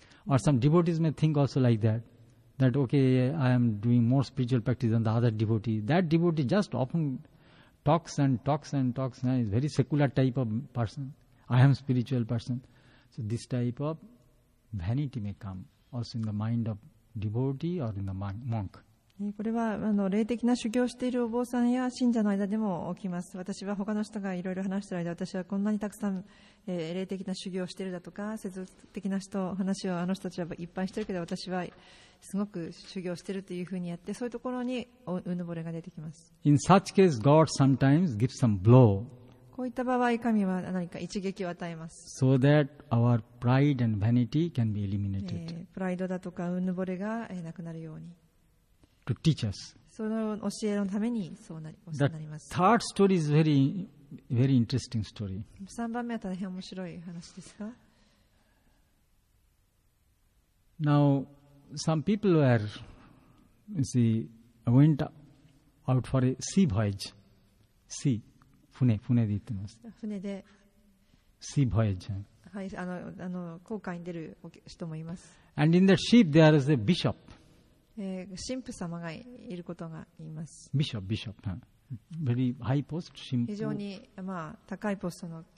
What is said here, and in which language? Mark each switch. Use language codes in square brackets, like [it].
[en] Or some devotees may think also like that, that okay, I am doing more spiritual practice than the other devotee. That devotee just often talks and talks and talks, and is very secular type of person. I am spiritual person. So this type of vanity may come also in the mind of devotee or in the monk. [ja] これは霊的な修行をしているお坊さんや信者の間でも起きます。私は他の人がいろいろ話している間、私はこんなにたくさん、霊的な修行をしているだとか、世俗的な人話をあの人たちはいっぱいしているけど、私はすごく修行しているというふうにやって、そういうところにうぬぼれが出てきます。 [en] In such case, God sometimes gives some blow. [ja] こういった場合、神は何か一撃を与えます。 [en] So that our pride and vanity can be eliminated. [ja] プライドだとかうぬぼれがなくなるように。 [en] To teach us. [ja] その教えのためにそうなり、 [en] The、 [ja] なります。 [en] Third story is very, very interesting story. [ja] 3番目は大変面白い話ですか。 [en] Now, some people were, you see, went out for a sea voyage. [ja] Sea, 船で行ってます。船で。 [en] Sea voyage. [ja] はい、あの航海に出る人もいます。 [en] And in that ship there is a bishop. [ja] 神父様がいることがいます。ビショップ、ビショップ、 [en] very high post、 [ja] 神父。非常にまあ高いポストの。